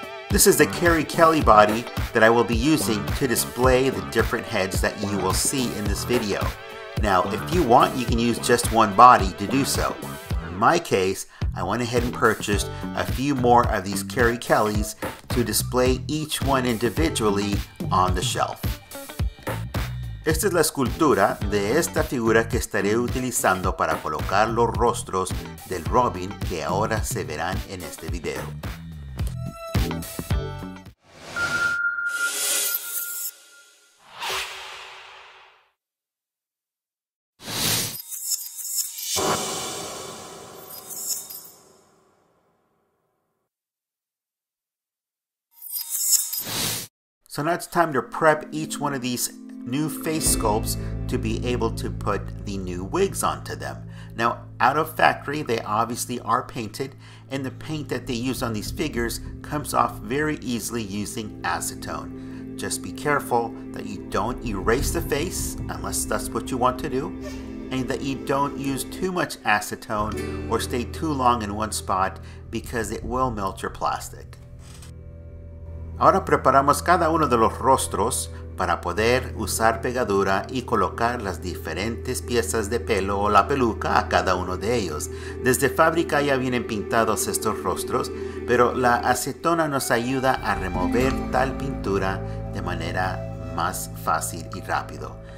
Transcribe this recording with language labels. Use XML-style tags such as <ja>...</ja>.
<en>This is the Carrie Kelly body that I will be using to display the different heads that you will see in this video. Now, if you want, you can use just one body to do so. In my case, I went ahead and purchased a few more of these Carrie Kellys to display each one individually on the shelf.</en> <es>Esta es la escultura de esta figura que estaré utilizando para colocar los rostros del Robin que ahora se verán en este video.</es> <en>So now it's time to prep each one of these new face sculpts to be able to put the new wigs onto them. Now, out of factory, they obviously are painted, and the paint that they use on these figures comes off very easily using acetone. Just be careful that you don't erase the face, unless that's what you want to do, and that you don't use too much acetone or stay too long in one spot, because it will melt your plastic.</en> <es>Ahora preparamos cada uno de los rostros para poder usar pegadura y colocar las diferentes piezas de pelo o la peluca a cada uno de ellos. Desde fábrica ya vienen pintados estos rostros, pero la acetona nos ayuda a remover tal pintura de manera más fácil y rápido.</es>